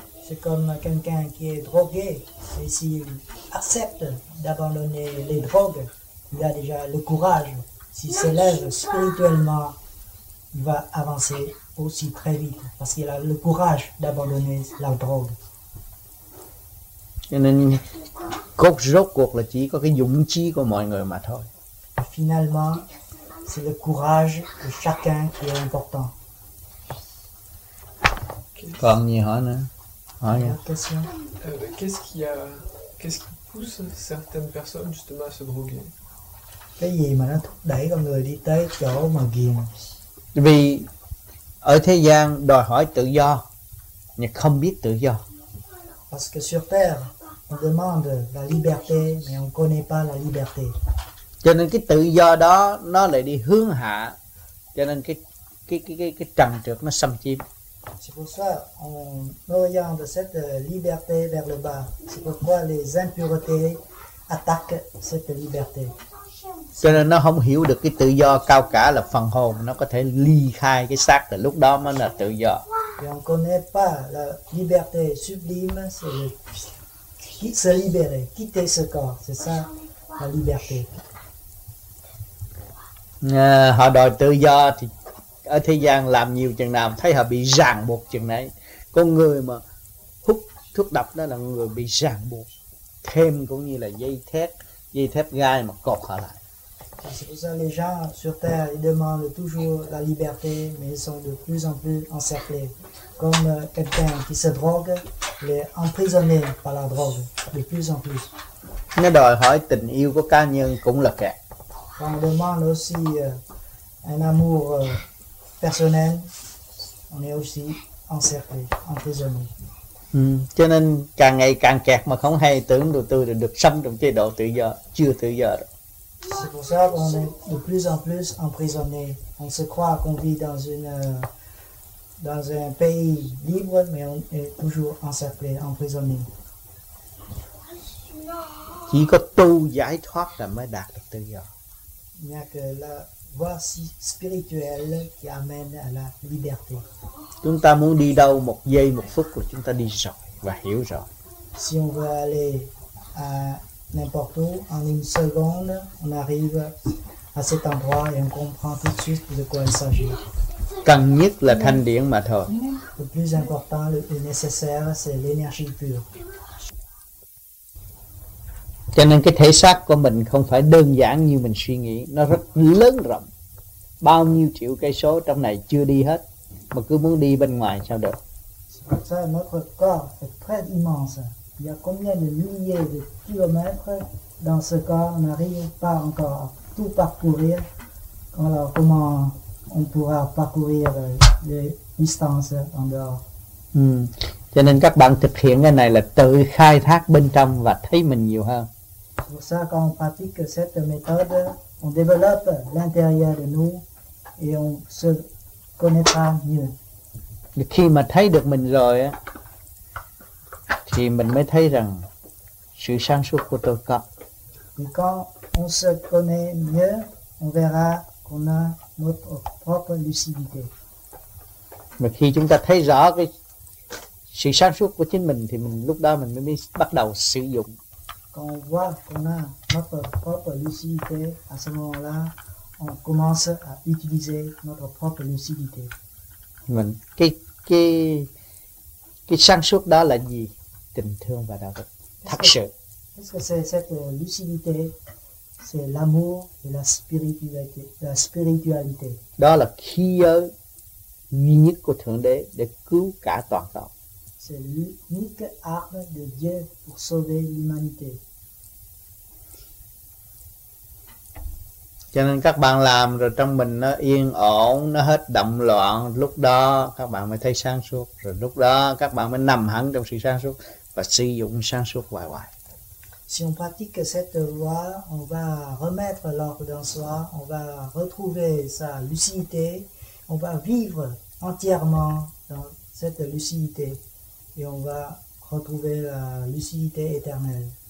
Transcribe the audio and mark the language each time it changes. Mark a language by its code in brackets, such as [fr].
[fr] C'est comme quelqu'un qui est drogué et s'il accepte d'abandonner les drogues, il a déjà le courage. S'il s'élève spirituellement, il va avancer aussi très vite parce qu'il a le courage d'abandonner la drogue. [vi] Cho nên cốt rốt cuộc là chỉ có cái dũng chí của mọi người mà thôi. [fr] Finalement, c'est le courage de chacun qui est important. [vi] Còn gì hỏi nữa? Hỏi nha. [fr] Qu'est-ce qui pousse certaines personnes justement à se droguer? [vi] Cái gì mà nó thúc đẩy con người đi tới chỗ mà ghiền? Vì ở thế gian đòi hỏi tự do nhưng không biết tự do. [fr] Parce que sur terre on demande la liberté mais on connaît pas la liberté. [vi] Cho nên cái tự do đó nó lại đi hướng hạ, cho nên cái trần trược nó xâm chiếm. [fr] C'est pour ça on oriente cette liberté vers le bas. C'est pourquoi les impuretés attaquent cette liberté. [vi] Cho nên nó không hiểu được cái tự do cao cả là phần hồn nó có thể ly khai cái xác, là lúc đó mới là tự do. [fr] Et on connaît pas la liberté sublime, c'est se libérer, quitter ce corps, c'est ça la liberté. [vi] Họ đòi tự do thì ở thế gian làm nhiều chừng nào thấy họ bị ràng buộc chừng nấy. Con người mà hút thuốc độc đó là người bị ràng buộc thêm, cũng như là dây thép gai mà cột họ lại. [fr] C'est pour ça que les gens sur terre ils demandent toujours la liberté, mais ils sont de plus en plus encerclés. Comme quelqu'un qui se drogue, il est emprisonné par la drogue de plus en plus. [vi] Nó đòi hỏi tình yêu của cá nhân cũng là kẹt. [fr] On demande aussi un amour personnel, on est aussi encerclé, emprisonné. [vi] Cho nên càng ngày càng kẹt mà không hay, tưởng đồ tư được sống trong chế độ tự do, chưa tự do rồi. [fr] C'est pour ça qu'on est de plus en plus emprisonné. On se croit qu'on vit dans un pays libre, mais on est toujours encerclé, emprisonné. [vi] Chỉ có tu giải thoát là mới đạt được tự do. [fr] Il n'y a que la voie spirituelle qui amène à la liberté. [vi] Chúng ta muốn đi đâu một giây một phút là chúng ta đi rõ và hiểu rõ. [fr] Si on veut aller à n'importe où, en une seconde, on arrive à cet endroit et on comprend tout de suite de quoi il s'agit. [vi] Cần nhất là thanh điển mà thôi. [fr] Le plus important, le plus nécessaire, c'est l'énergie pure. [vi] Cho nên cái thể xác của mình không phải đơn giản như mình suy nghĩ, nó rất lớn rộng. Bao nhiêu triệu cây số trong này chưa đi hết, mà cứ muốn đi bên ngoài sao được. [fr] Ça, notre corps est très immense. Il y a combien de milliers de kilomètres dans ce corps, on n'arrive pas encore à tout parcourir. Alors comment on pourra parcourir les distances en dehors? [vi] Cho nên các bạn thực hiện cái này là tự khai thác bên trong và thấy mình nhiều hơn. [fr] Pour ça, quand on pratique cette méthode, on développe l'intérieur de nous et on se connaîtra mieux. [vi] Khi mà thấy được mình rồi á, thì mình mới thấy rằng sự sáng suốt của tôi có. [fr] Et quand on se connaît mieux, on verra qu'on a notre propre lucidité. [vi] Mà khi chúng ta thấy rõ cái sự sáng suốt của chính mình thì mình lúc đó mình mới bắt đầu sử dụng. [fr] Quand on voit qu'on a notre propre lucidité, à ce moment-là, on commence à utiliser notre propre lucidité. [vi] Mình cái sáng suốt đó là gì? Tình thương và đạo đức. Thật sự. [fr] Qu'est-ce que c'est cette lucidité? C'est l'amour et la spiritualité. La spiritualité. [vi] Đó là khi giới duy nhất của Thượng Đế để cứu cả toàn cầu. [fr] C'est l'unique arme de Dieu pour sauver l'humanité. [vi] Cho nên các bạn làm rồi trong mình nó yên ổn, nó hết động loạn, lúc đó các bạn mới thấy sáng suốt, rồi lúc đó các bạn mới nằm hẳn trong sự sáng suốt và sử dụng sáng suốt hoài hoài. [fr] Si on pratique cette loi, on va remettre l'ordre dans soi, on va retrouver sa lucidité, on va vivre entièrement dans cette lucidité. Et on va retrouver la lucidité éternelle.